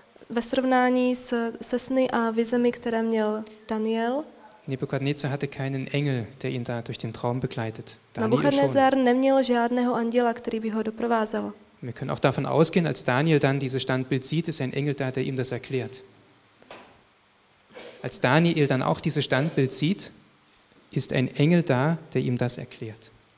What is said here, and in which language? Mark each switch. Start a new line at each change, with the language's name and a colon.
Czech: ve srovnání se sny a vizemi, které měl Daniel,
German: Nebukadnezar hatte keinen Engel, der ihn da durch den Traum begleitet.
Czech: Nabukadnezar neměl žádného anděla, který by ho doprovázel.
German: Wir können auch davon ausgehen, als Daniel dann dieses Standbild sieht, ist ein Engel da, der ihm das erklärt. Als Daniel dann auch dieses Standbild sieht, ist ein Engel da, der ihm das erklärt.